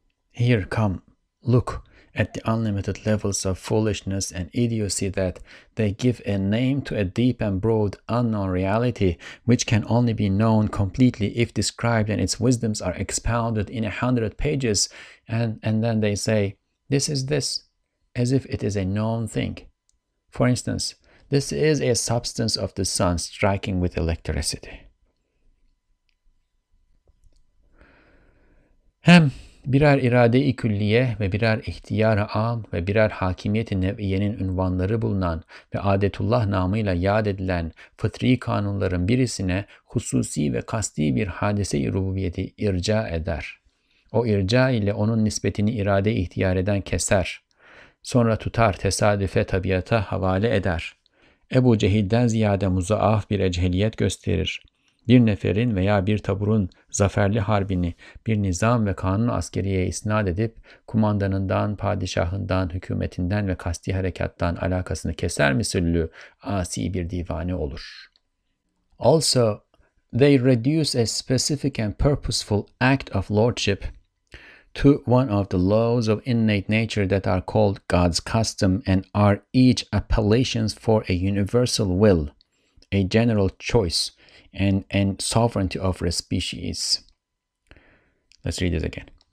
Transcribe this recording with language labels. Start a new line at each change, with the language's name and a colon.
English: Here, come, look at the unlimited levels of foolishness and idiocy that they give a name to a deep and broad unknown reality, which can only be known completely if described and its wisdoms are expounded in 100 pages. And then they say, this is this, as if it is a known thing. For instance, this is a substance of the sun striking with electricity.
Turkish: Hem birer irade-i külliye ve birer ihtiyar-ı am ve birer hakimiyet-i nev'iyenin ünvanları bulunan ve adetullah namıyla yad edilen fıtri kanunların birisine hususi ve kasti bir hadise-i rububiyeti irca eder. O irca ile onun nispetini irade-i ihtiyar eden keser. Sonra tutar tesadüfe tabiata havale eder. Ebu Cehil'den ziyade muzaaf bir echeliyet gösterir. Bir neferin veya bir taburun zaferli harbini bir nizam ve kanun askeriye isnat edip kumandanından, padişahından, hükümetinden ve kasti harekattan alakasını keser misillü asi bir divane olur.
English: Also, they reduce a specific and purposeful act of lordship to one of the laws of innate nature that are called God's custom and are each appellations for a universal will, a general choice, and sovereignty of a species. Let's read this again.